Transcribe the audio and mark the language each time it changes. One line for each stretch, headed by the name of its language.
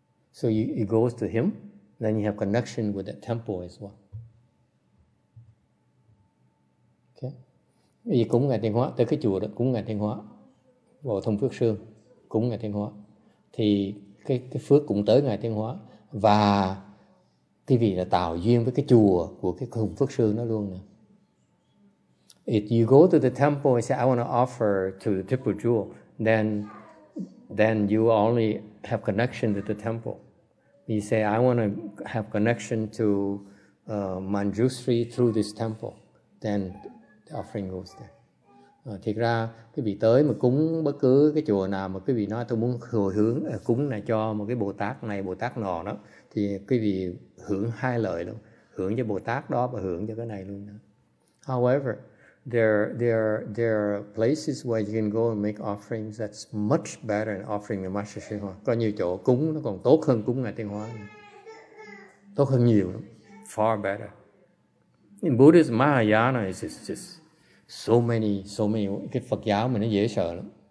English: So it goes to him, then you have connection with that temple as well.
Vietnamese: Okay. Vì cúng Ngài Tiên Hóa, tới cái chùa đó, cúng Ngài Tiên Hóa, Bồ Thông Phước Sương, cúng Ngài Tiên Hóa, thì cái phước cũng tới Ngài Tiên Hóa, và cái vị là tạo duyên với cái chùa của cái Thông Phước Sương đó luôn nè.
English: If you go to the temple and say, I want to offer to the temple jewel, then you only have connection to the temple. You say, I want to have connection to Manjushri through this temple. Then the offering goes there.
Vietnamese: Thiệt ra, cái vị tới mà cúng bất cứ cái chùa nào mà cái vị nói tôi muốn hồi hướng cúng này cho một cái Bồ Tát này, Bồ Tát nọ đó, thì cái vị hưởng hai lợi luôn. Hưởng cho Bồ Tát đó và hưởng cho cái này luôn đó.
English: However, there are places where you can go and make offerings that's much better than offering the Master Shenhua.
Vietnamese: Có nhiều chỗ cúng nó còn tốt hơn cúng Ngài Tiên Hóa. Tốt hơn nhiều.
English: Far better. In Buddhist Mahayana, it's just so many.
Vietnamese: Cái Phật giáo mình nó dễ sợ lắm.